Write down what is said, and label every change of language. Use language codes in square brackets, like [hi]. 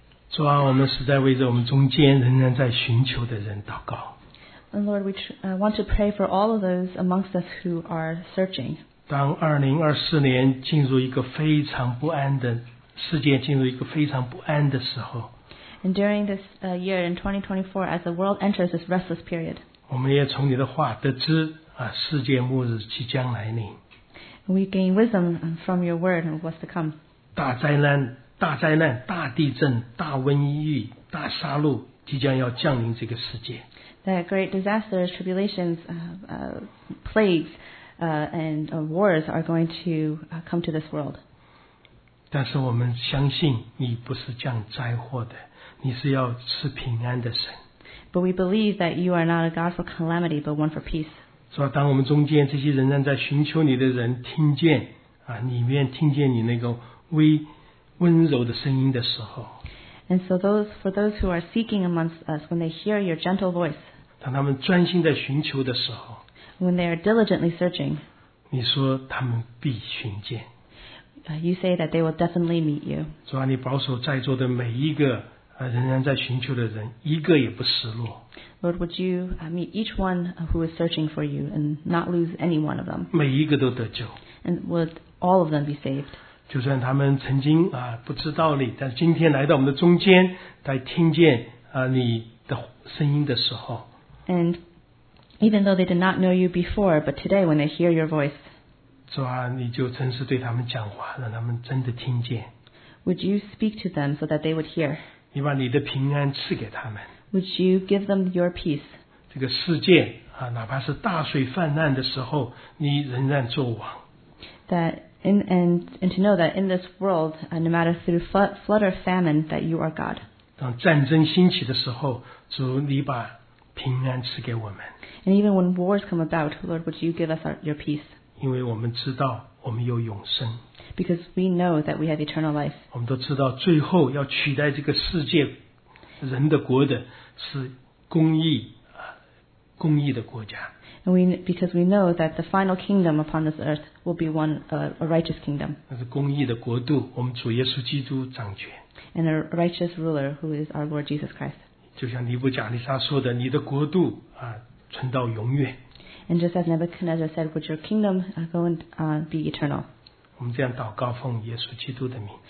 [zh] 主啊，我们实在为着我们中间仍然在寻求的人祷告。 [en] And Lord, we want to pray for all of those amongst us who are searching. [zh] 当2024年进入一个非常不安的世界，进入一个非常不安的时候。 [en] And during this year in 2024, as the world enters this restless period. [zh] 我们也从你的话得知啊，世界末日即将来临。 [en] We gain wisdom from your word of what's to come. [zh] 大灾难、大地震、大瘟疫、大杀戮即将要降临这个世界。 [en] That great disasters, tribulations, plagues, and wars are going to come to this world. [zh] 但是我们相信你不是降灾祸的，你是要赐平安的神。 [en] But we believe that you are not a God for calamity, but one for peace. [zh] 所以当我们中间这些仍然在寻求你的人听见啊，里面听见你那个温柔的声音的时候。 [en] And so for those who are seeking amongst us, when they hear your gentle voice, [zh] 当他们专心在寻求的时候， [en] when they are diligently searching, [zh] 你说他们必寻见。 [en] You say that they will definitely meet you. [zh] 主啊，你保守在座的每一个仍然在寻求的人，一个也不失落。 [en] Lord, would you meet each one who is searching for you and not lose any one of them? [zh] 每一个都得救。 [en] And would all of them be saved? [zh] 就算他们曾经不知道你，但今天来到我们的中间，在听见你的声音的时候。 [en] And even though they did not know you before, but today when they hear your voice. [zh] 主啊，你就真是对他们讲话，让他们真的听见。 [en] Would you speak to them so that they would hear? [zh] 你把你的平安赐给他们。 [en] Would you give them your peace? [zh] 这个世界哪怕是大水泛滥的时候，你仍然作王。 [en] And to know that in this world, no matter through flood or famine, that you are God. [zh] 当战争兴起的时候，主你把平安赐给我们。 [en] And even when wars come about, Lord, would you give us your peace? [zh] 因为我们知道我们有永生。 [en] Because we know that we have eternal life. [zh] 我们都知道最后要取代这个世界人的国的是公义的国家。 [en] And because we know that the final kingdom upon this earth will be one, a righteous kingdom. [zh] 那是公义的国度，我们主耶稣基督掌权。 [en] And a righteous ruler who is our Lord Jesus Christ. [zh] 就像尼布甲尼撒说的，你的国度存到永远。 [en] And just as Nebuchadnezzar said, would your kingdom go and be eternal? [zh] 我们这样祷告，奉耶稣基督的名。